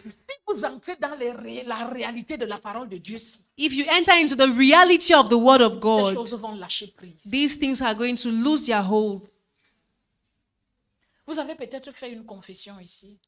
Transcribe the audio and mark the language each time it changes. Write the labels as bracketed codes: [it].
[fr] Si vous entrez dans les la réalité de la parole de Dieu. [en] If you enter into the reality of the word of God. [fr] Ces choses vont lâcher prise. [en] These things are going to lose their hold. [fr] Vous avez peut-être fait une confession ici.